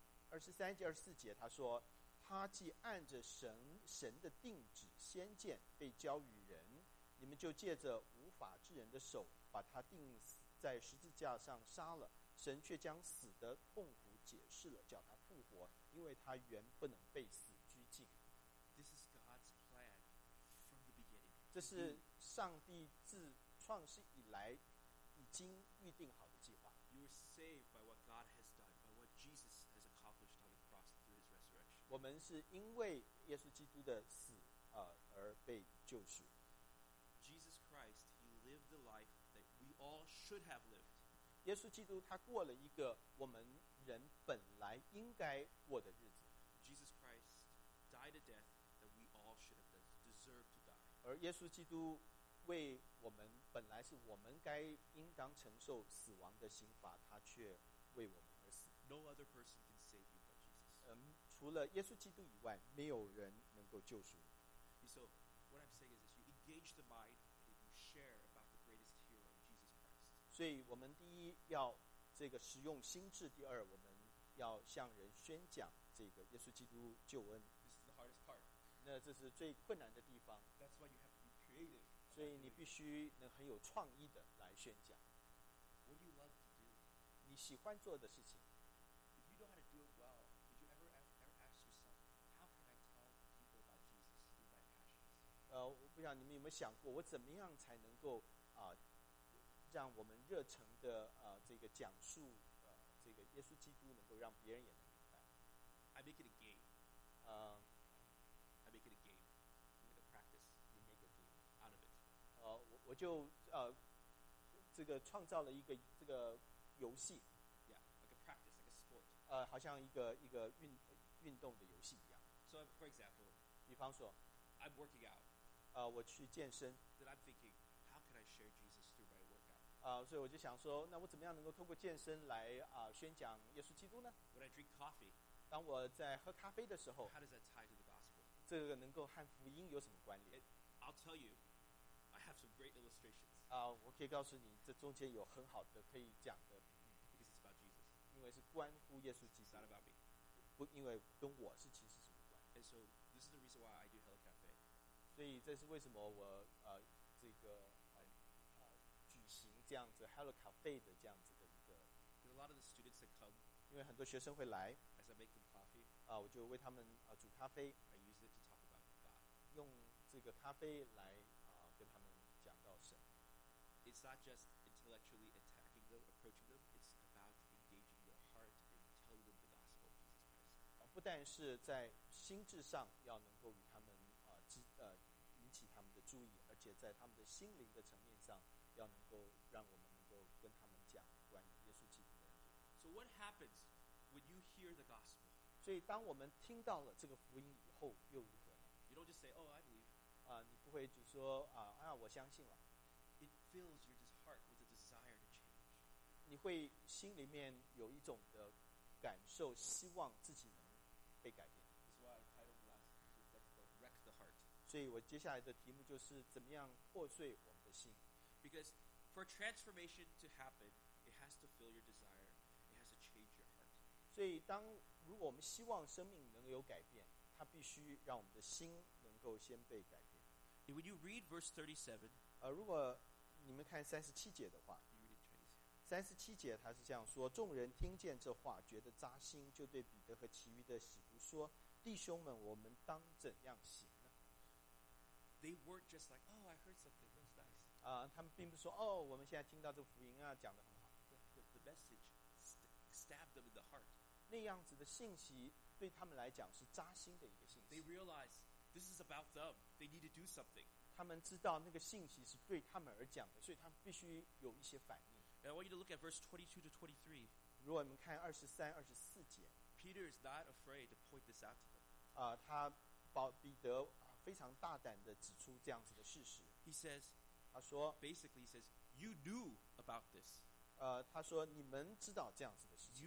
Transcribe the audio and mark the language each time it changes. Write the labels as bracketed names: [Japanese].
[Chinese] 23节、24节他说他既按着神的定旨先见被交与人，你们就借着无法之人的手把他钉在十字架上杀了，神却将死的痛苦解释了，叫他复活，因为他原不能被死拘禁。 [English] This is God's plan from the beginning. [Chinese] 这是上帝自创世以来已经预定好的计划。 [English] You are saved by what God has done, by what Jesus has accomplished on the cross through His resurrection. [Chinese] 我们是因为耶稣基督的死而被救赎。 [English] Jesus Christ, He lived the life that we all should have lived. [Chinese] 耶稣基督他过了一个我们人本来应该过的日子。 [English] Jesus Christ death that we all should have deserved to die. [Chinese] 而耶稣基督为我们本来是我们该应当承受死亡的刑罚，他却为我们而死。 [English] No other person can save you but Jesus. [Chinese] 除了耶稣基督以外，没有人能够救赎你。 [English] So what I'm saying is this: you engage the mind and you share about the greatest hero, Jesus Christ. [Chinese] 所以我们第一要这个使用心智，第二我们要向人宣讲这个耶稣基督救恩。 [English] This is the hardest part. [Chinese] 那这是最困难的地方。 [English] That's why you have to be creative. [Chinese] 所以你必须能很有创意的来宣讲。 [English] What do you love to do? [Chinese] 你喜欢做的事情。 [English] If you know how to do it well, did you ever ask yourself, how can I tell people about Jesus through my passions? [Chinese] 我不想你们有没有想过，我怎么样才能够啊？让我们热诚的这个讲述这个耶稣基督能够让别人也能明白。 [English] I make it a game. I make it a game. I make a practice. You make a game out of it. [Chinese] 我就这个创造了一个这个游戏。 [English] Yeah, like a practice, like a sport. [Chinese] 好像一个运动的游戏一样。 [English] So for example, [Chinese] 比方说 [English] ，I'm working out. [Chinese] 我去健身。 [English] Then I'm thinking, how can I share Jesus through my workout? [Chinese] 所以我就想说，那我怎么样能够透过健身来宣讲耶稣基督呢？ [English] When I drink coffee, [Chinese] 当我在喝咖啡的时候， [English] How does that tie to the gospel? [Chinese] 这个能够和福音有什么关联？ [English] I'll tell you, I have some great illustrations. [Chinese] 我可以告诉你，这中间有很好的可以讲的。 [English] Because it's about Jesus. [Chinese] 因为是关乎耶稣基督。 [English] It's not about me. [Chinese] 不，因为跟我是其实是无关。 [English] And so this is the reason why I do Hello Cafe. [Chinese] 所以这是为什么我这个。举行这样子 Hello Cafe 的这样子的一个 [English] a lot of the students that come, [Chinese] 因为很多学生会来 [English] as I make them coffee, [Chinese] 我就为他们煮咖啡 [English] I use it to talk about God. [Chinese] 用这个咖啡来跟他们讲到神 [English] It's not just intellectually attacking them, approaching them It's about engaging their heart and telling them the gospel of Jesus Christ [Chinese] 不但是在心智上要能够与他们引起他们的注意而且在他们的心灵的层面上要能够让我们能够跟他们讲关于耶稣基督的恩典。 [English] So what happens when you hear the gospel? [Chinese] 所以当我们听到了这个福音以后，又如何呢 [English] ？You don't just say, "Oh, I believe." [Chinese] 你不会就说我相信了。 [English] It fills your heart with a desire to change. [Chinese] 你会心里面有一种的感受，希望自己能被改变。 [English] That's why I titled the last lecture "Wreck the Heart." [Chinese] 所以我接下来的题目就是怎么样破碎我们的心。 [English] Because for transformation to happen, it has to fill your desire. It has to change your heart. [Chinese] 所以当如果我们希望生命能有改变，它必须让我们的心能够先被改变。 [English] When you read verse 37, [Chinese] 如果你们看三十七节的话，三十七节它是这样说：众人听见这话，觉得扎心，就对彼得和其余的使徒说：“弟兄们，我们当怎样行？” [English] They weren't just like, "Oh, I heard something. That's nice." [Chinese] 他们并不说，我们现在听到这个福音啊，讲得很好。 [English] The message stabbed them in the heart. [Chinese] 那样子的信息对他们来讲是扎心的一个信息。 [English] They realized this is about them. They need to do something. [Chinese] 他们知道那个信息是对他们而讲的，所以他们必须有一些反应。 [English] Now, I want you to look at verse 22 to 23. [Chinese] 如果你们看23、24节 [English] ，Peter is not afraid to point this out to them. [Chinese] 他保彼得。非常大胆地指出这样子的事实。 [English] He says, [Chinese] 他说 [English] ，basically says, you knew about this. [Chinese] 他说你们知道这样子的事情。